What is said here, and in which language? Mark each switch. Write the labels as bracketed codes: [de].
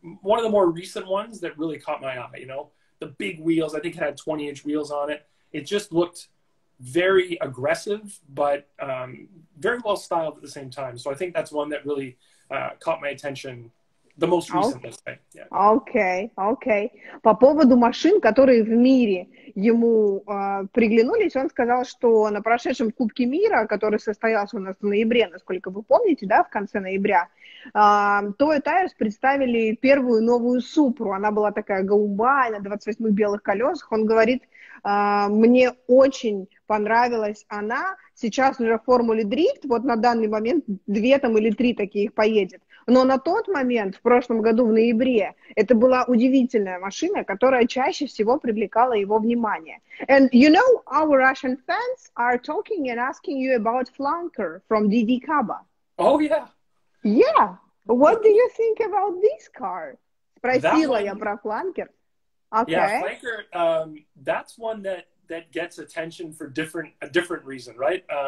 [en] one of the more recent ones that really caught my eye, you know, the big wheels. I think it had 20-inch wheels on it. It just looked very aggressive, but very well styled at the same time. So I think that's one that really caught my attention the most recently. Okay. Okay. [ru] По поводу машин, которые в мире ему приглянулись, он сказал, что на прошедшем Кубке мира, который состоялся у нас в ноябре, насколько вы помните, да, в конце ноября, Toyo Tires представили первую новую Супру. Она была такая голубая, на 28 белых колесах. Он говорит, мне очень понравилась она. Сейчас уже в Формуле Дрифт, вот на данный момент две там или три таких поедет. Но на тот момент, в прошлом году, в ноябре, это была удивительная машина, которая чаще всего привлекала его внимание. [en] And you know, our Russian fans are talking and asking you about Flunker from DD Kaba. Oh, yeah. Yeah. What do you think about this car? [ru] Спросила я про Flunker. [en] Okay. Yeah, Flunker, that's one that gets attention for a different reason, right?